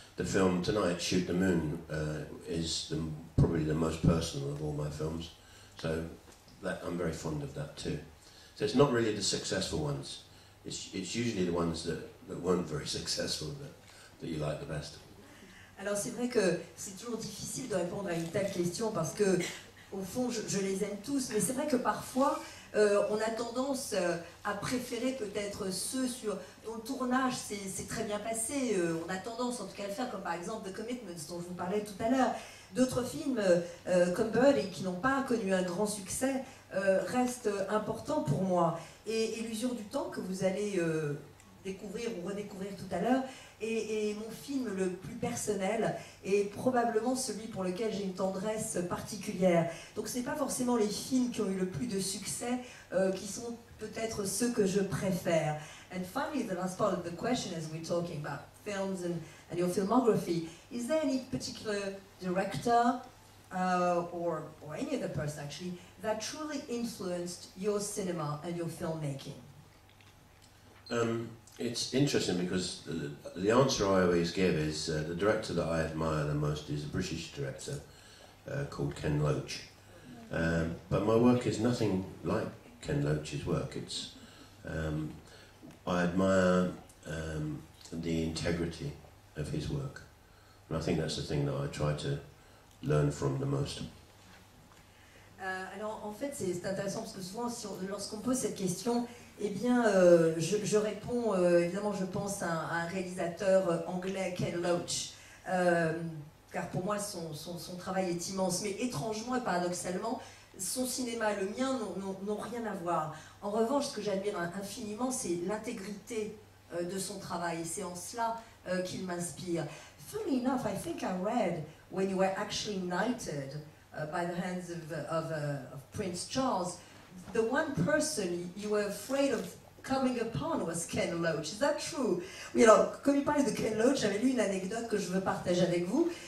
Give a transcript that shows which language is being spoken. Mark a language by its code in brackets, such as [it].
[en] The film tonight, Shoot the Moon, is probably the most personal of all my films. So that I'm very fond of that too. So it's not really the successful ones. It's usually the ones that weren't very successful that you like the best. [fr] Alors c'est vrai que c'est toujours difficile de répondre à une telle question parce que, au fond, je les aime tous, mais c'est vrai que parfois, on a tendance à préférer peut-être ceux dont le tournage s'est très bien passé. On a tendance en tout cas à le faire, comme par exemple The Commitments dont je vous parlais tout à l'heure. D'autres films comme Birdie qui n'ont pas connu un grand succès restent importants pour moi. Et Illusion du temps que vous allez découvrir ou redécouvrir tout à l'heure est mon film le plus personnel et probablement celui pour lequel j'ai une tendresse particulière. Donc ce n'est pas forcément les films qui ont eu le plus de succès qui sont peut-être ceux que je préfère. [en] And finally, the last part of the question, as we're talking about films and your filmography, is there any particular director or any other person actually that truly influenced your cinema and your filmmaking? It's interesting because the answer I always give is the director that I admire the most is a British director called Ken Loach. But my work is nothing like Ken Loach's work. It's I admire the integrity of his work. And I think that's the thing that I try to learn from the most. [fr] Alors, en fait, c'est intéressant parce que souvent, lorsqu'on pose cette question, eh bien, je réponds, évidemment, je pense à un réalisateur anglais, Ken Loach, car pour moi, son travail est immense. Mais étrangement et paradoxalement, son cinéma, le mien, n'ont rien à voir. En revanche, ce que j'admire infiniment, c'est l'intégrité de son travail. C'est en cela qu'il m'inspire. [en] Funnily enough, I think I read when you were actually knighted by the hands of Prince Charles, the one person you were afraid of coming upon was Ken Loach. Is that true? [fr] Oui, alors, comme il parlait de Ken Loach, j'avais lu une anecdote que je veux partager avec vous.